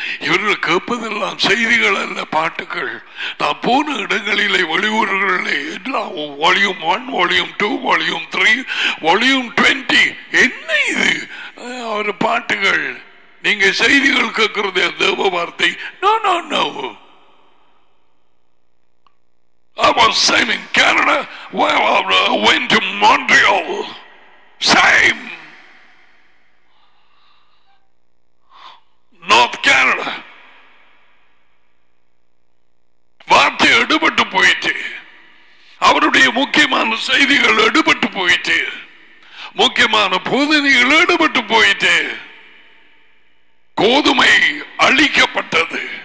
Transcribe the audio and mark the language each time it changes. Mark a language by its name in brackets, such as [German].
[Tamil] இவர்கள் கேட்பதெல்லாம் செய்திகள் அல்ல, பாட்டுகள். நான் போன இடங்களிலே வெளியூர்களிலே எல்லாம் வால்யூம் 1 வால்யூம் 2 வால்யூம் 3 வால்யூம் 20 என்ன இது? அவர் பாட்டுகள், நீங்க செய்திகள் கேட்கறதே தேவ வார்த்தை. [English] No no no, I was same in Canada where I went to Montreal, same North Canada. [Tamil] வார்த்தை எடுபட்டு போயிட்டு, அவருடைய முக்கியமான செய்திகள் எடுபட்டு போயிட்டு, முக்கியமான போதனைகள் எடுபட்டு போயிட்டு, கோதுமை அழிக்கப்பட்டது.